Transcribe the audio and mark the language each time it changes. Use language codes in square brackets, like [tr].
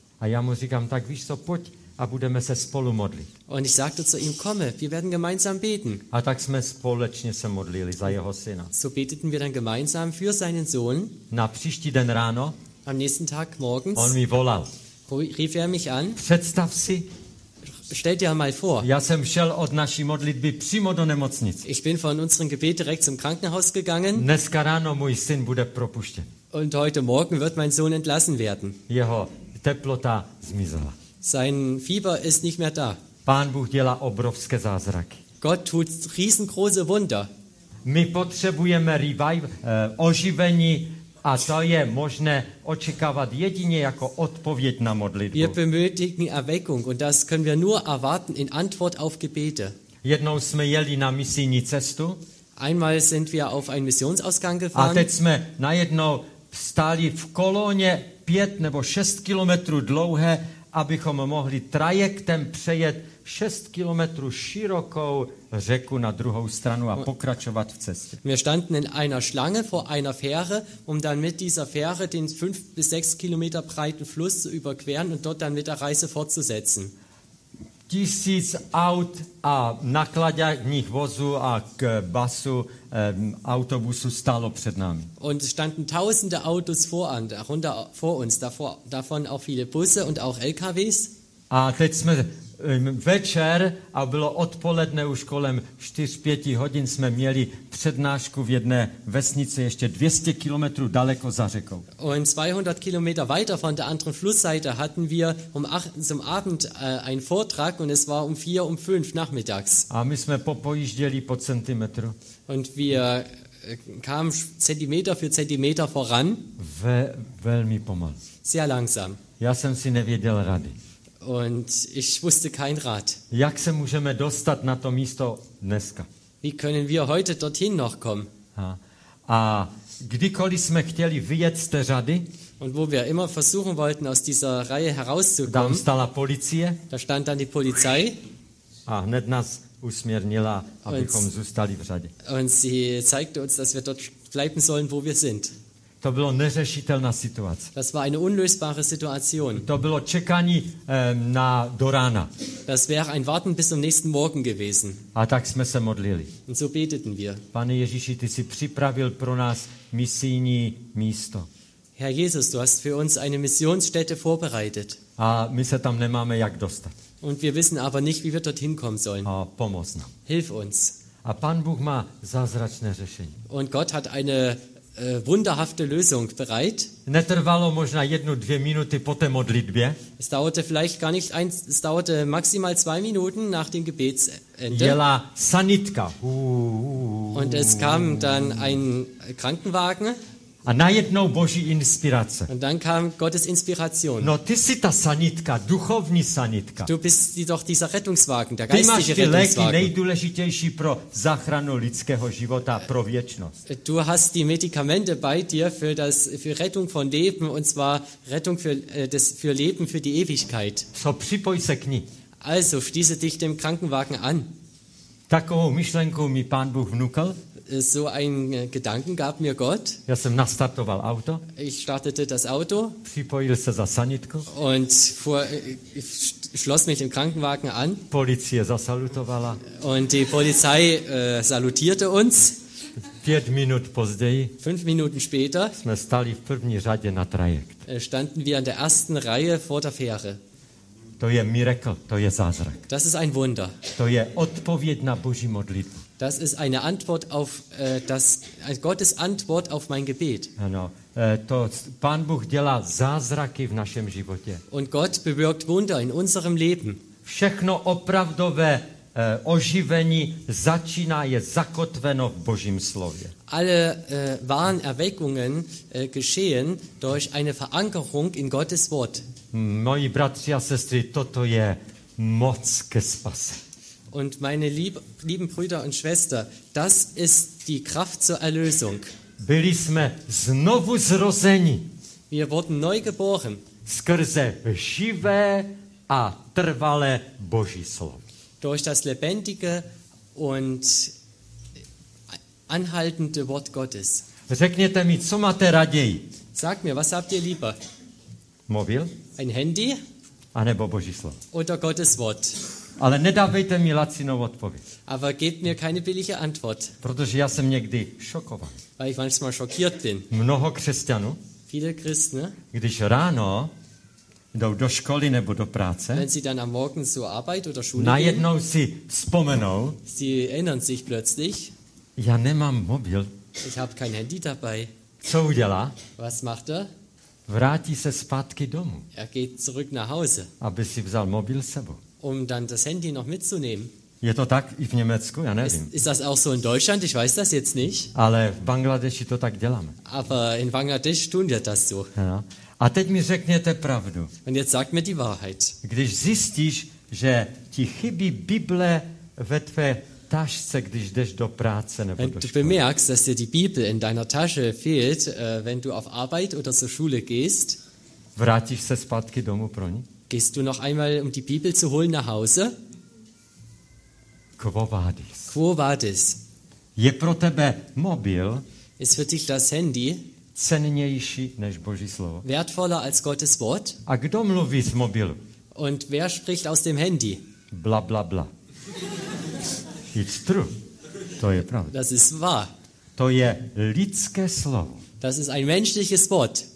[cs] A já mu říkám, tak víš co, pojď a budeme se spolu modlit. [de] Und ich sagte zu ihm, komme, wir werden gemeinsam beten. [cs] A tak jsme společně se modlili za jeho syna. [de] So beteten wir dann gemeinsam für seinen Sohn. [cs] Na příští den ráno. [de] Am nächsten Tag morgens. [cs] On mi volal. [de] Rief er mich an. [cs] Představ si. [de] Stell dir mal vor. [cs] Já jsem šel od naší modlitby přímo do nemocnice. [de] Ich bin von unserem Gebet direkt zum Krankenhaus gegangen. [cs] Dneska ráno můj syn bude propuštěn. [de] Und heute morgen wird mein Sohn entlassen werden. [cs] Jeho teplota zmizela. [de] Sein Fieber ist nicht mehr da. [cs] Pán Bůh dělá obrovské zázraky. [de] Gott tut riesengroße Wunder. [cs] My potřebujeme oživení. A to je možné očekávat jedině jako odpověď na modlitbu. [de] Wir benötigen Erweckung und das können wir nur erwarten in Antwort auf Gebete. [cs] Jednou jsme jeli na misijní cestu. [de] Einmal sind wir auf einen Missionsausgang gefahren. [cs] A teď jsme najednou stáli v koloně 5 nebo 6 kilometrů dlouhé, abychom mohli trajektem přejet 6 kilometrů širokou řeku na druhou stranu a pokračovat v cestě. [de] Wir standen in einer Schlange vor einer Fähre, um dann mit dieser Fähre den 5 bis 6 Kilometer breiten Fluss zu überqueren und dort dann mit der Reise fortzusetzen. [cs] 1000 aut a nakladních vozů a k basu autobusu stálo před námi. [de] Und es standen tausende Autos vor uns, davon auch viele Busse und auch LKWs. [cs] A teď jsme večer a bylo odpoledne už kolem 4-5 hodin jsme měli přednášku v jedné vesnici ještě 200 kilometrů daleko za řekou. [de] Und 200 Kilometer weiter von der anderen Flussseite hatten wir um 8 zum Abend einen Vortrag und es war um 4 um 5 nachmittags. [cs] A my jsme popojížděli po centimetru. [de] Und wir kamen Zentimeter für Zentimeter voran. [cs] Velmi pomalu. [de] Sehr langsam. [cs] Já jsem si nevěděl rady. [de] Und ich wusste kein Rat. [cs] Jak se můžeme dostat na to místo dneska? [de] Wie können wir heute dorthin noch kommen? [cs] A kdykoliv jsme chtěli vyjet z té řady, [de] und wo wir immer versuchen wollten aus dieser Reihe herauszukommen, [cs] tam stala policie, [de] da stand dann die Polizei, [cs] a hned nás usměrnila, abychom zůstali v řadě. [de] Und sie zeigte uns, dass wir dort bleiben sollen, wo wir sind. [cs] To bylo neřešitelná situace. [de] Das war eine unlösbare Situation. [cs] To bylo čekání na do rána. [de] Das wäre ein Warten bis zum nächsten Morgen gewesen. [cs] A tak jsme se modlili. [de] Und so beteten wir. [cs] Pane Ježíši, ty jsi připravil pro nás misijní místo. [de] Herr Jesus, du hast für uns eine Missionsstätte vorbereitet. [cs] A my se tam nemáme jak dostat. [de] Und wir wissen aber nicht, wie wir dorthin kommen sollen. [cs] A pomoz nám. [de] Hilf uns. [cs] A Pán Bůh má zázračné řešení. [de] Und Gott hat eine wunderhafte Lösung bereit. [cs] Netrvalo možná jednu, dvě minuty po té modlitbě. [de] Es dauerte vielleicht gar nicht eins, es dauerte maximal zwei Minuten nach dem Gebetsende. [cs] Jela sanitka. [de] Und es kam dann ein Krankenwagen. [cs] A najednou Boží inspirace. [de] Und dann kam Gottes Inspiration. [cs] No, ty jsi ta sanitka, duchovní sanitka. [de] Du bist doch dieser Rettungswagen, der geistliche Rettungswagen. [cs] Ty máš ty léky nejdůležitější pro záchranu lidského života, pro věčnost. [de] Du hast die Medikamente bei dir für das für Rettung von Leben und zwar Rettung für das für Leben für die Ewigkeit. [cs] So, připoj se k ní. [de] Also schließe dich dem Krankenwagen an. [cs] Takovou myšlenku mi Pán Bůh vnukl. [de] So ein Gedanken gab mir Gott. [cs] Já jsem nastartoval auto. [de] Ich startete das Auto. [cs] Připojil se za sanitku. [de] Und fuhr, schloss mich im Krankenwagen an. [cs] Policie zasalutovala. [de] Und die Polizei salutierte uns. [cs] Pět minut později. [de] Fünf Minuten später. [cs] Jsme stali v první řadě na trajekt. [de] Standen wir an der ersten Reihe vor der Fähre. [cs] To je miracle, to je zázrak. [de] Das ist ein Wunder. [cs] To je odpověď na Boží modlitbu. [de] Das ist eine Antwort auf das Gottes Antwort auf mein Gebet. [cs] Ano, to Pán Bůh dělá zázraky v našem životě. [de] Und Gott bewirkt Wunder in unserem Leben. [cs] Všechno opravdové oživení začíná je zakotveno v Božím slově. [de] Alle wahren Erweckungen geschehen durch eine Verankerung in Gottes Wort. [cs] Moji bratři a sestry, toto je moc ke spase. [de] Und meine lieben Brüder und Schwestern, das ist die Kraft zur Erlösung. [cs] Byli jsme znovu zrozeni. [de] Wir wurden neu geboren. [cs] Skrze živé a trvalé Boží slovo. [de] Durch das lebendige und anhaltende Wort Gottes. [cs] Řekněte mi, co máte raději? [de] Sag mir, was habt ihr lieber? [cs] Mobil? [de] Ein Handy? [cs] A nebo Boží slovo? [de] Oder Gottes Wort? [cs] Ale nedávejte mi lacinou odpověď. [de] Aber gebt mir keine billige Antwort. [cs] Protože já jsem někdy šokovan. [de] Weil ich manchmal schockiert bin. [cs] Mnoho křesťanů. [de] Viele Christen. [cs] Když ráno jdou do školy nebo do práce. [de] Wenn sie dann am Morgen zur Arbeit oder Schule gehen. [cs] Najednou si vzpomenou. [de] Sie erinnern sich plötzlich. [cs] Já nemám mobil. [de] Ich habe kein Handy dabei. [cs] Co udělá? [de] Was macht er? [cs] Vrátí se zpátky domů. [de] Er geht zurück nach Hause. [cs] Aby si vzal mobil s sebou. [de] Um dann das Handy noch mitzunehmen. [cs] Je to tak i v Německu? Já nevím. [de] Ist das auch so in Deutschland? Ich weiß das jetzt nicht. [cs] Ale v Bangladeši to tak děláme. [de] Aber in Bangladesch tun wir das so. [cs] Ja. A teď mi řekněte pravdu. [de] Und jetzt sag mir die Wahrheit. [cs] Když zjistíš, že ti chybí Bible ve tvé tašce, když jdeš do práce nebo [de] wenn [cs] do školy. [de] Du bemerkst, dass dir die Bibel in deiner Tasche fehlt, wenn du auf Arbeit oder zur Schule gehst. [cs] Vrátíš se zpátky domů pro ní? [de] Gehst du noch einmal, um die Bibel zu holen, nach Hause? [la] Quo vadis? Quo vadis? [cs] Je pro tebe mobil? [de] Ist für dich das Handy? [cs] Cennější než Boží slovo? [de] Wertvoller als Gottes Wort? [cs] A kdo mluví z mobilu? [de] Und wer spricht aus dem Handy? [cs] Bla bla bla. [en] It's true. [cs] To je pravda. [de] Das ist wahr. [cs] To je lidské slovo. [de] Das ist ein menschliches Wort.